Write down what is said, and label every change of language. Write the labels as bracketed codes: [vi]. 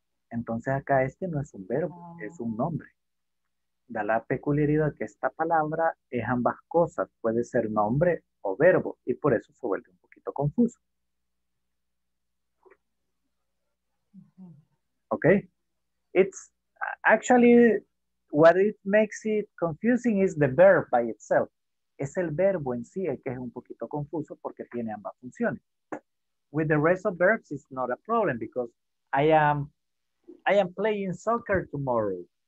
[es] Entonces acá este no es un verbo, es un nombre. Da la peculiaridad que esta palabra es ambas cosas. Puede ser nombre o verbo y por eso se vuelve un poquito confuso. Ok. [en] It's actually what it makes it confusing is the verb by itself. [es] Es el verbo en sí el que es un poquito confuso porque tiene ambas funciones. [en] With the rest of verbs, it's not a problem because I am playing soccer tomorrow.